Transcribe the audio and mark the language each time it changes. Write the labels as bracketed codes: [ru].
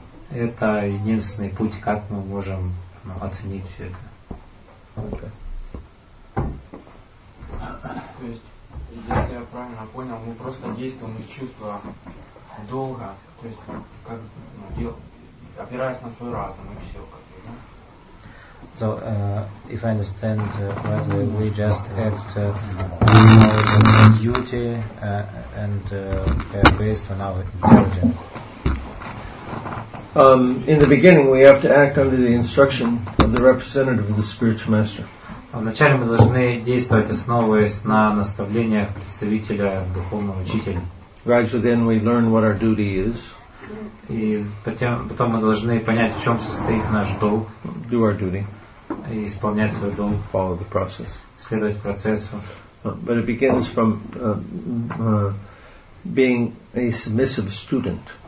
[ru] Это единственный путь, как мы можем оценить все это. То есть, если я правильно понял, мы просто действуем из чувства долга, то есть как опираясь на свой разум и все. [en] So, if I understand rightly, we just act on our duty and based on our intelligence. In the beginning, we have to act under the instruction of the representative of the spiritual master. [ru] Вначале мы должны действовать основываясь на наставлениях представителя духовного учителя. [en] Gradually, then we learn what our duty is. [ru] И потом мы должны понять, в чем состоит наш долг. [en] Do our duty. [ru] И исполнять свой долг. [en] Follow the process. [ru] Следовать процессу. [en] But it begins from being a submissive student.